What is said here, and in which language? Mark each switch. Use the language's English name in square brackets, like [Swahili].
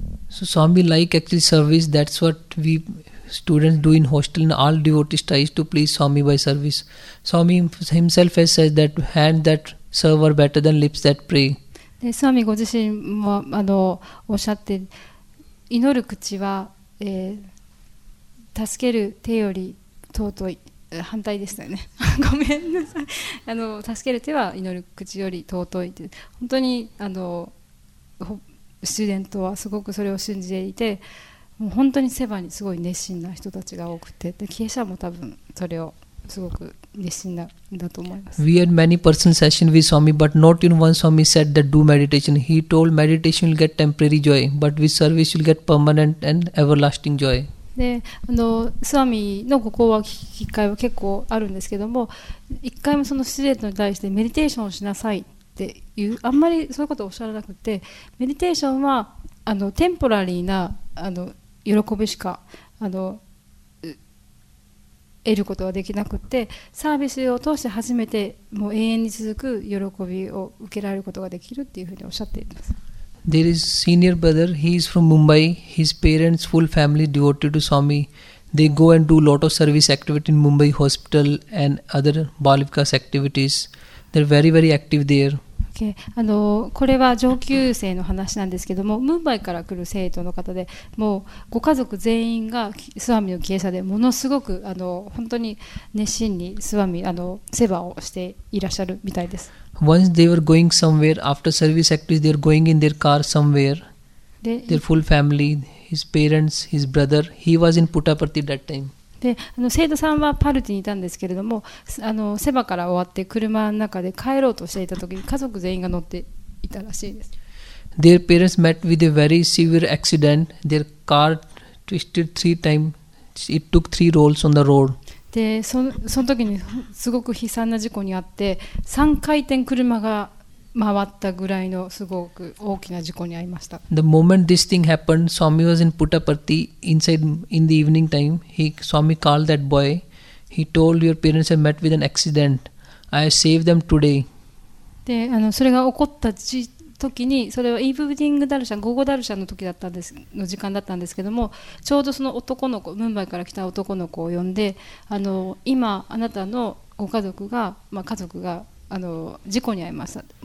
[English] So Swami like actually service. That's what we. Students do in hostel and all devotees tries to please Swami by service. Swami himself has said that hands that serve are better than lips that pray. [Japanese] で、スワミご自身もおっしゃって、祈る口は、助ける手より尊い。反対でしたよね。ごめんなさい。助ける手は祈る口より尊いって。本当にスチューデントはすごくそれを信じていて、もう本当にセバにすごい熱心な人たちが多くて、で、キエシャも多分それをすごく熱心なんだと思います。 [English] We had many person session with Swami, but not in one Swami said that do meditation. He told meditation will get temporary joy, but with service will get permanent and everlasting joy. [Japanese] で、スワミのここは機会は結構あるんですけども、一回もそのスチューデントに対してメディテーションをしなさいっていう、あんまりそういうことをおっしゃらなくて、メディテーションはテンポラリーな喜びしか得ることはできなくて、サービスを通して初めてもう永遠に続く喜びを受けられることができるっていうふうにおっしゃっています。 [English] There is senior brother, he is from Mumbai. His parents full family devoted to Swami. They go and do lot of service activity in Mumbai hospital and other Balivikas activities. They are very very active there. Okay. [Japanese] これは上級生の話なんですけども、ムンバイから来る生徒の方で、もうご家族全員がスワミの経営者で、ものすごく本当に熱心にスワミ、世話をしていらっしゃるみたいです。 [English] Once they were going somewhere, after service activities, they were going in their car somewhere. で、their full family, his parents, his brother, he was in Puttaparthi that time. [Japanese] で、生徒さんはパルティにいたんですけれども、セバから終わって車の中で帰ろうとしていた時に家族全員が乗っていたらしいです。 [English] Their parents met with a very severe accident. Their car twisted three times. It took three rolls on the road. [Japanese] で、その時にすごく悲惨な事故にあって、3回転車が回ったぐらいのすごく大きな事故に遭いました。 [English] The moment this thing happened, Swami was in Puttaparthi inside in the evening time. Swami called that boy. He told your parents have met with an accident. I saved them today. [Japanese] で、それが起こった時に、それはイーブディングダルシャン、午後ダルシャンの時だったんですの時間だったんですけども、ちょうどその男の子、ムンバイから来た男の子を呼んで、今あなたのご家族が、まあ、家族が事故に遭いました。